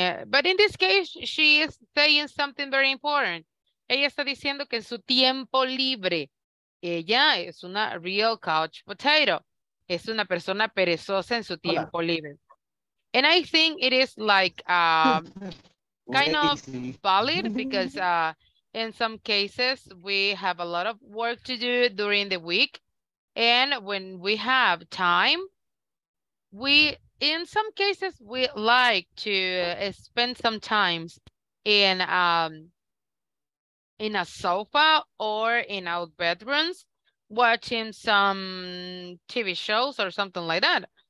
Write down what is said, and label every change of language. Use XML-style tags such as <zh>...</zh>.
<en>But in this case, she is saying something very important.</en> <es>Ella está diciendo que en su tiempo libre... ella es una</es> <en>real couch potato.</en> <es>Es una persona perezosa en su tiempo libre.</es> <en>And I think it is like kind of valid because in some cases we have a lot of work to do during the week. And when we have time, we in some cases we like to spend some time in a sofa or in our bedrooms watching some TV shows or something like that.</en>